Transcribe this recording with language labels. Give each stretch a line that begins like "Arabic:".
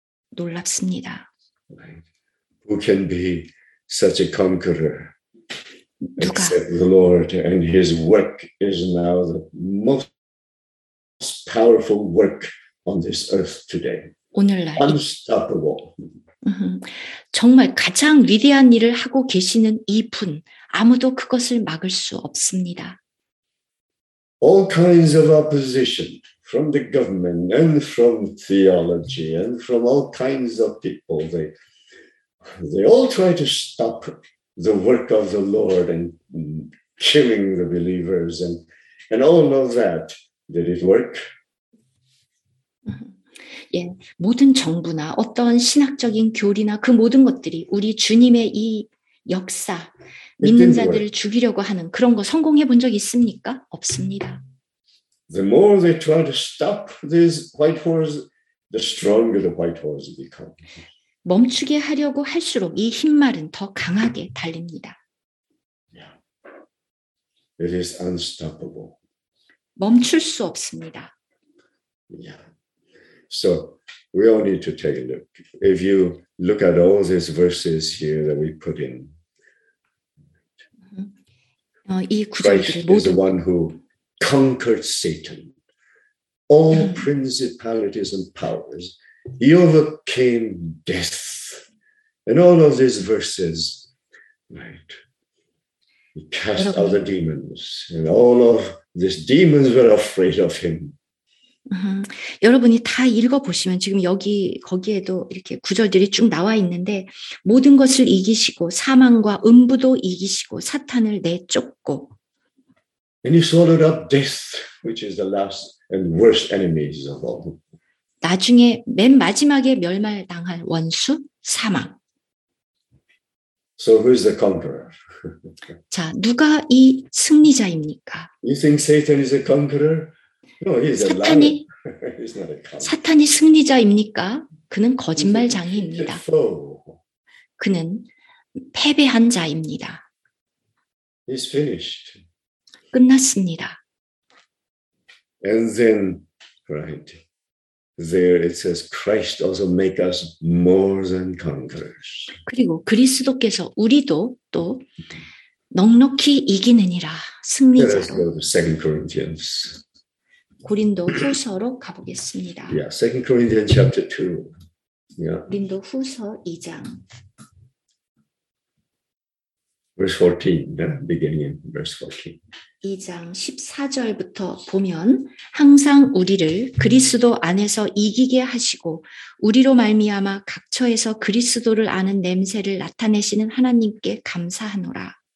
Korean: 놀랍습니다.
English: Who can be such a conqueror?
Korean: 누가?
English: Except the Lord and his work is now the most powerful work on this earth today.
Korean: 오늘날
English: unstoppable.
Korean: 정말 가장 위대한 일을 하고 계시는 이분 아무도 그것을 막을 수 없습니다.
English: All kinds of opposition from the government and from theology and from all kinds of people. They all try to stop the work of the Lord and killing the believers and all of that. Did it work?
Korean: 예, 모든 정부나 어떤 신학적인 교리나 그 모든 것들이 우리 주님의 이 역사, 믿는 자들을 죽이려고 하는 그런 거 성공해 본 적 있습니까? 없습니다.
English: The more they try to stop these white horses, the stronger the white horses become.
Korean: 멈추게 하려고 할수록 이 흰말은 더 강하게 달립니다.
English: Yeah. It is unstoppable.
Korean: 멈출 수 없습니다.
English: Yeah. So we all need to take a look. If you look at all these verses here that we put in, Christ is the one who conquered Satan. All principalities and powers. He overcame death. And all of these verses, right? He cast out the demons. And all of these demons were afraid of him.
Korean: 여러분이 다 읽어보시면 지금 여기 거기에도 이렇게 구절들이 쭉 나와 있는데 모든 것을 이기시고 사망과 음부도 이기시고 사탄을 내쫓고
English: And he swallowed up death, which is the last and worst enemies of all.
Korean: 나중에 맨 마지막에 멸망당할 원수 사망
English: So who is the conqueror?
Korean: 자, 누가 이 승리자입니까?
English: You think Satan is a conqueror? No, he's a liar. He's not a coward.
Korean: 사탄이 승리자입니까? 그는 거짓말장이입니다. 그는 패배한 자입니다.
English: He's finished.
Korean: 끝났습니다.
English: And then, right, there it says, Christ also make us more than conquerors.
Korean: 그리고 그리스도께서 우리도 또 넉넉히 이기느니라 승리자로.
English: Let us go to 2 Corinthians.
Korean: 고린도 후서로 가보겠습니다.
English: Yeah, 2 Corinthians chapter 2. Yeah.
Korean: 고린도 후서 2장.
English: Verse 14, yeah? beginning in verse 14.
Korean: 2장 14절부터 보면 항상 우리를 그리스도 안에서 이기게 하시고 우리로 말미암아 각처에서 그리스도를 아는 냄새를 나타내시는 하나님께 감사하노라.